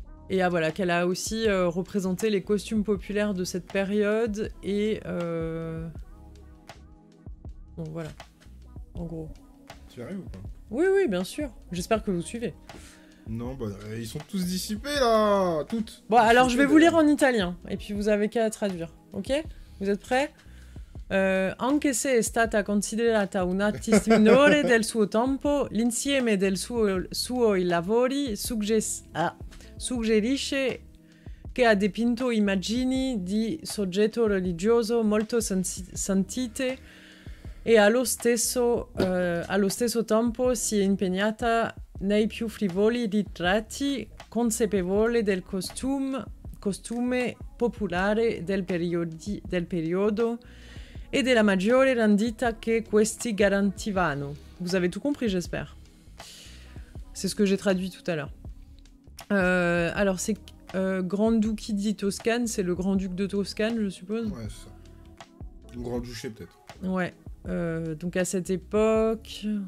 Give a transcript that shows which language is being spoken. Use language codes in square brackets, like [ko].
[fr] Et ah voilà, qu'elle a aussi représenté les costumes populaires de cette période et bon voilà, en gros. Tu arrives ou pas ? Oui, bien sûr. J'espère que vous suivez. Non, bah, ils sont tous dissipés, là. Toutes. Bon, alors, dissipés, je vais vous lire en italien. Et puis, vous avez qu'à traduire. OK ? Vous êtes prêts ? [it] Anche se è stata considerata un artista minore del suo tempo, l'insieme del suoi lavori suggerisce che ha dipinto immagini di soggetto religioso molto sentite e allo stesso tempo si è impegnata nei più frivoli ritratti, consapevole del costume popolare del periodo e della maggiore rendita che questi garantivano. [fr] Vous avez tout compris, j'espère. C'est ce que j'ai traduit tout à l'heure. Alors, c'est Grand Duc qui dit Toscane, c'est le Grand Duc de Toscane, je suppose. Ouais, c'est ça. Ou Grand Duché, peut-être. Ouais. Donc, à cette époque.